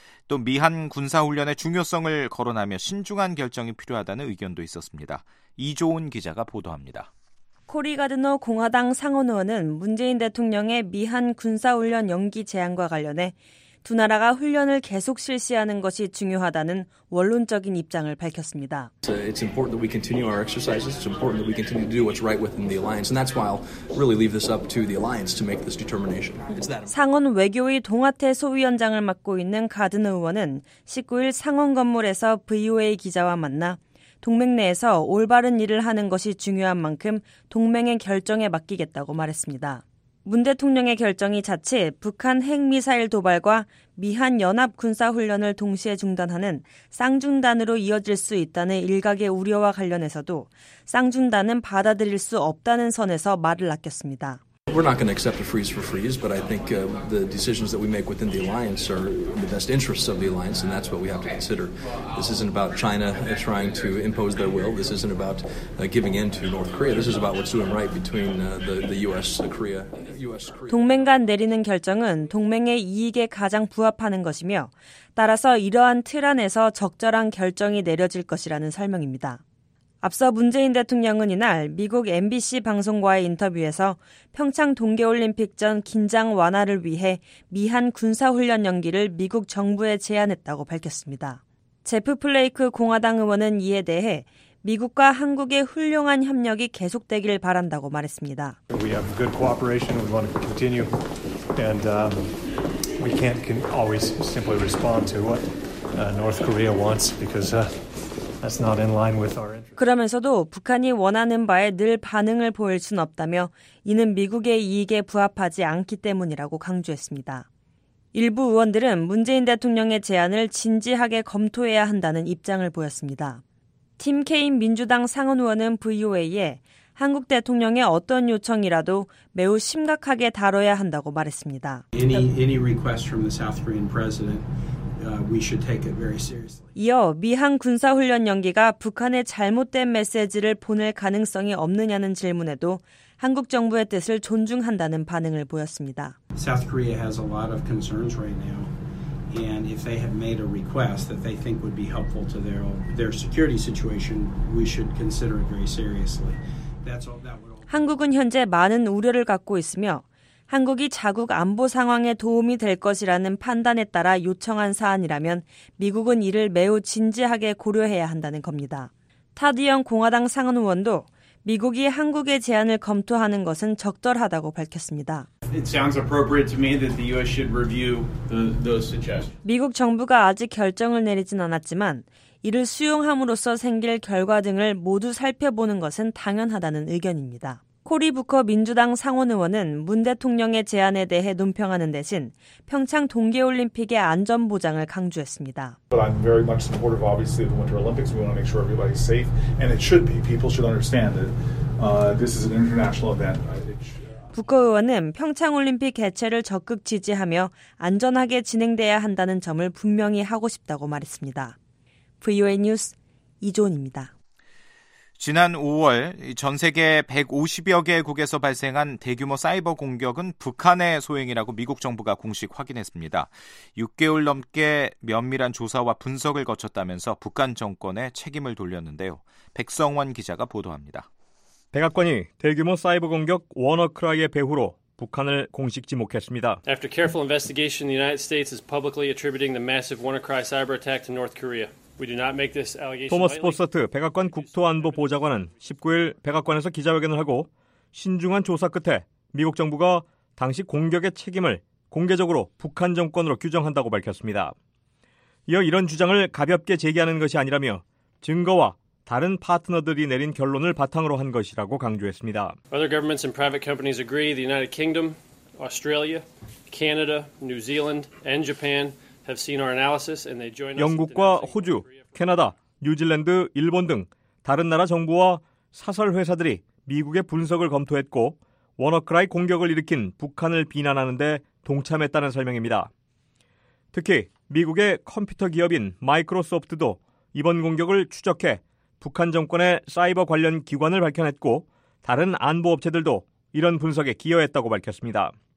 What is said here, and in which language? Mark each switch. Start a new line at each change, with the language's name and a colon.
Korean: 또 미한 군사훈련의 중요성을 거론하며 신중한 결정이 필요하다는 의견도 있었습니다. 이조은 기자가 보도합니다. 코리 가드너 공화당 상원의원은 문재인 대통령의 미한 군사훈련 연기 제안과 관련해 두 나라가 훈련을 계속 실시하는 것이 중요하다는 원론적인 입장을 밝혔습니다.
English: It's important that we continue our exercises. It's important that we continue to do what's right within the alliance. And that's why I'll really leave this up to the alliance to make this determination.
Korean: 상원 외교위 동아태 소위원장을 맡고 있는 가드너 의원은 19일 상원 건물에서 VOA 기자와 만나 동맹 내에서 올바른 일을 하는 것이 중요한 만큼 동맹의 결정에 맡기겠다고 말했습니다. 문 대통령의 결정이 자칫 북한 핵미사일 도발과 미한 연합군사훈련을 동시에 중단하는 쌍중단으로 이어질 수 있다는 일각의 우려와 관련해서도 쌍중단은 받아들일 수 없다는 선에서 말을 아꼈습니다.
English: We're not going to accept a freeze for freeze, but I think the decisions that we make within the alliance are in the best interests of the alliance, and that's what we have to consider. This isn't about China trying to impose their will. This isn't about giving in to North Korea. This is about what's doing right between the U.S., Korea, U.S., Korea.
Korean: 동맹 간 내리는 결정은 동맹의 이익에 가장 부합하는 것이며, 따라서 이러한 틀 안에서 적절한 결정이 내려질 것이라는 설명입니다. 앞서 문재인 대통령은 이날 미국 MBC 방송과의 인터뷰에서 평창 동계올림픽 전 긴장 완화를 위해 미한 군사훈련 연기를 미국 정부에 제안했다고 밝혔습니다. 제프 플레이크 공화당 의원은 이에 대해 미국과 한국의 훌륭한 협력이 계속되길 바란다고 말했습니다.
English: We have good cooperation. We want to continue. And we can't always simply respond to what North Korea wants because that's not in line with our interests.
Korean: 그러면서도 북한이 원하는 바에 늘 반응을 보일 순 없다며 이는 미국의 이익에 부합하지 않기 때문이라고 강조했습니다. 일부 의원들은 문재인 대통령의 제안을 진지하게 검토해야 한다는 입장을 보였습니다. 팀 케인 민주당 상원 의원은 VOA에 한국 대통령의 어떤 요청이라도 매우 심각하게 다뤄야 한다고 말했습니다.
English: Any request from the South Korean president, we should take it very seriously.
Korean: 이어 미한 군사훈련 연기가 북한의 잘못된 메시지를 보낼 가능성이 없느냐는 질문에도 한국 정부의 뜻을 존중한다는 반응을 보였습니다.
English: South Korea has a lot of concerns right now. And if they have made a request that they think would be helpful to their security situation, we should consider it very seriously. That's all that would.
Korean: 한국은 현재 많은 우려를 갖고 있으며 한국이 자국 안보 상황에 도움이 될 것이라는 판단에 따라 요청한 사안이라면 미국은 이를 매우 진지하게 고려해야 한다는 겁니다. 타드영 공화당 상원 의원도 미국이 한국의 제안을 검토하는 것은 적절하다고 밝혔습니다.
English: It sounds appropriate to me that the U.S. should review those suggestions.
Korean: 미국 정부가 아직 결정을 내리진 않았지만 이를 수용함으로써 생길 결과 등을 모두 살펴보는 것은 당연하다는 의견입니다. 코리 부커 민주당 상원 의원은 문 대통령의 제안에 대해 논평하는 대신 평창 동계올림픽의 안전 보장을 강조했습니다.
English: But I'm very much supportive, obviously, of the Winter Olympics. We want to make sure everybody's safe, and it should be. People should understand that this is an international event.
Korean: 부커 의원은 평창올림픽 개최를 적극 지지하며 안전하게 진행돼야 한다는 점을 분명히 하고 싶다고 말했습니다. VOA 뉴스 이조은입니다. 지난 5월 전 세계 150여 개국에서 발생한 대규모 사이버 공격은 북한의 소행이라고 미국 정부가 공식 확인했습니다. 6개월 넘게 면밀한 조사와 분석을 거쳤다면서 북한 정권에 책임을 돌렸는데요. 백성원 기자가 보도합니다. 백악관이 대규모 사이버 공격 워너크라이의 배후로 북한을 공식 지목했습니다.
English: After careful investigation, the United States is publicly attributing the massive WannaCry cyber attack to North Korea. We do not make this allegation.
Korean: 토머스 포서트 백악관 국토안보 보좌관은 19일 백악관에서 기자회견을 하고 신중한 조사 끝에 미국 정부가 당시 공격의 책임을 공개적으로 북한 정권으로 규정한다고 밝혔습니다. 이어 이런 주장을 가볍게 제기하는 것이 아니라며 증거와 다른 파트너들이 내린 결론을 바탕으로 한 것이라고 강조했습니다.
English: Other governments and private companies agree the United Kingdom, Australia, Canada, New Zealand, and Japan have seen our analysis and they join us.
Korean: 영국과 호주, 캐나다, 뉴질랜드, 일본 등 다른 나라 정부와 사설 회사들이 미국의 분석을 검토했고 워너크라이 공격을 일으킨 북한을 비난하는 데 동참했다는 설명입니다. 특히 미국의 컴퓨터 기업인 마이크로소프트도 이번 공격을 추적해 북한 정권의 사이버 관련 기관을 밝혀냈고 다른 안보 업체들도 이런 분석에 기여했다고 밝혔습니다.